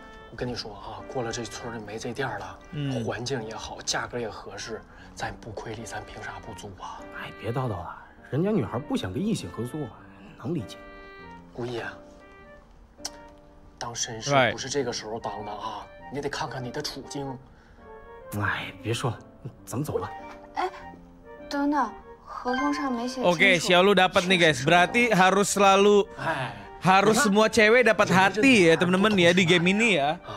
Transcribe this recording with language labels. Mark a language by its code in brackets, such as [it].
[id] Gue bilang ya, setelah ini tidak ada tempat ini. Lingkungannya bagus, harganya juga sesuai. [zh] 咱不亏力，咱凭啥不租啊？哎，别叨叨了，人家女孩不想跟异性合租，能理解。顾毅，当绅士不是这个时候当的啊！你得看看你的处境。哎，别说了，咱们走吧。哎，等等，合同上没写清楚。 [id] Oke, siapa lu dapat nih guys? Berarti harus selalu, harus semua cewek dapat hati ya teman-teman ya di game ini ya.